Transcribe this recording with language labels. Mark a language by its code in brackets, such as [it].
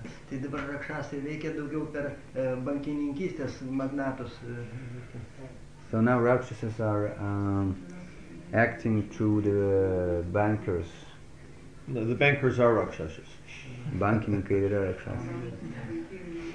[lt] Tai dabar rakšasai veikia daugiau per bankininkystės magnatus. [en] So now rakšasas are acting through the bankers. No, the bankers are rakšasas. [lt] Bankininkai yra rakšasas.